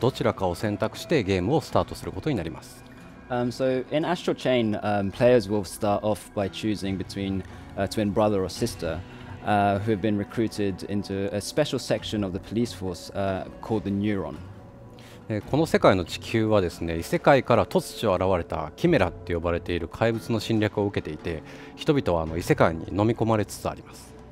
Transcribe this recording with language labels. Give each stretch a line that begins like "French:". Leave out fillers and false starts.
Japanese: まず、アストラルチェーンの紹介から始めてもらってもいいですか?はい、この、ゲームはですね、特殊部隊ネウロに新しく入隊した双子が主人公となって、プレイヤーは双子のどちらかを選択してゲームをスタートすることになります。
English: So in Astral Chain, players will start off by choosing between a twin brother or sister who have been recruited into a special section of the police force called the Neuron.
Japanese: この世界の地球はですね、異世界から突如現れたキメラって呼ばれている怪物の侵略を受けていて、人々はあの異世界に飲み込まれつつあります。